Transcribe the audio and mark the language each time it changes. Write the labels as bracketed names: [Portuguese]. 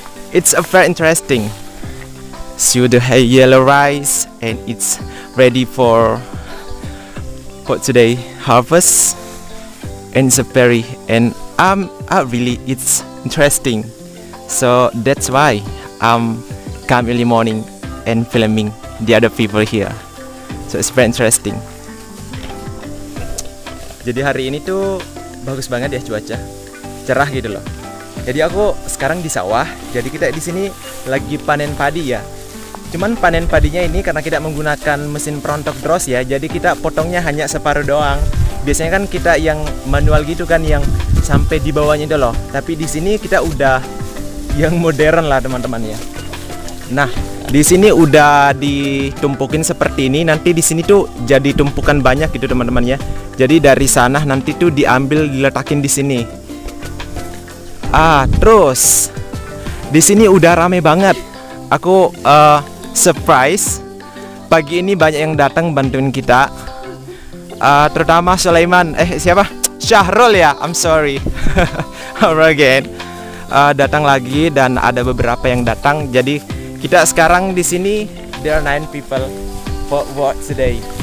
[English] It's a very interesting. See the yellow rice and it's ready for today harvest. And it's a very, and really it's interesting. So that's why I'm come early morning and filming the other people here. So it's very interesting. [Indonesian] Jadi hari ini tuh bagus banget ya cuaca, cerah gitu loh. Jadi aku sekarang di sawah, jadi kita di sini lagi panen padi ya. Cuman panen padinya ini karena kita menggunakan mesin perontok dros ya, jadi kita potongnya hanya separuh doang. Biasanya kan kita yang manual gitu kan, yang sampai di bawahnya itu loh. Tapi di sini kita udah yang modern lah teman-teman ya. Nah, di sini udah ditumpukin seperti ini, nanti di sini tuh jadi tumpukan banyak gitu teman-teman ya. Jadi dari sana nanti tuh diambil diletakin di sini. Terus di sini udah rame banget. Aku surprise pagi ini banyak yang datang bantuin kita. Terutama Sulaiman, siapa? Syahrul ya. [English] I'm sorry. Over again. [Indonesian] Datang lagi dan ada beberapa yang datang. Jadi kita sekarang di sini [English] there are 9 people for what today.